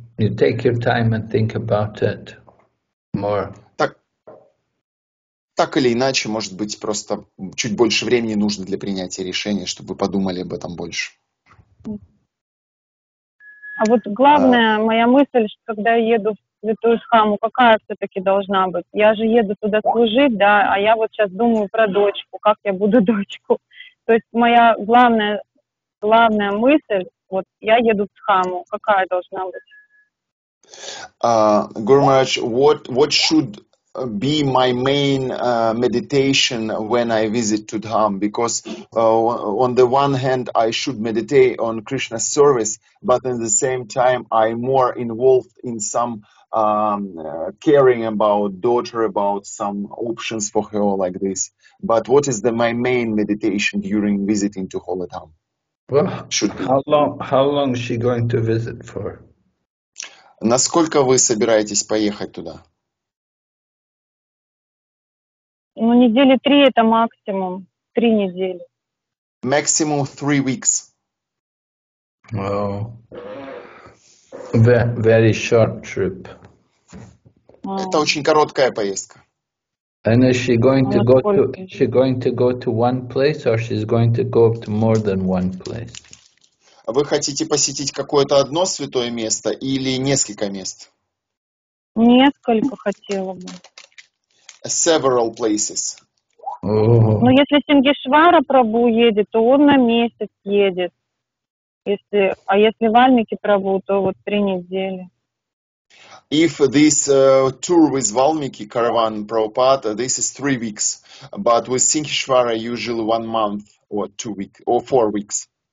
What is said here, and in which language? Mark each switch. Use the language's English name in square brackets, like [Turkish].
[English] You take your time and think about it more. [Russian] Так или иначе, может быть, просто чуть больше времени нужно для принятия решения, чтобы вы подумали об этом больше. А вот главная моя мысль, что когда я еду в святую Шхаму, какая все-таки должна быть? Я же еду туда служить, да, а я вот сейчас думаю про дочку, как я буду дочку. То есть моя главная, главная мысль, вот я еду в Шхаму, какая должна быть? [English] Гуру Махарадж, what should be my main meditation when I visit to Dham, because on the one hand I should meditate on Krishna's service, but at the same time I'm more involved in some caring about daughter, about some options for her like this. But what is the my main meditation during visiting to Holy Dham? How long is she going to visit for? [Russian] Насколько вы собираетесь поехать туда? Ну, недели три — это максимум. Три недели. [English] Maximum 3 weeks. Wow. Very short trip. Wow. [Russian] Это очень короткая поездка. [English] And is she going to go to, is she going to go to one place, or she's going to go to more than one place? [Russian] Вы хотите посетить какое-то одно святое место или несколько мест? Несколько хотела бы. [English] Several places. [Russian] Но если Сингишвара Прабу едет, то он на месяц едет. Если, а если Вальмики Прабу, то вот 3 недели. [English] If this tour with Valmiki caravan Prabhupada, this is 3 weeks, but with Sinkishvara usually 1 month or 2 weeks or 4 weeks.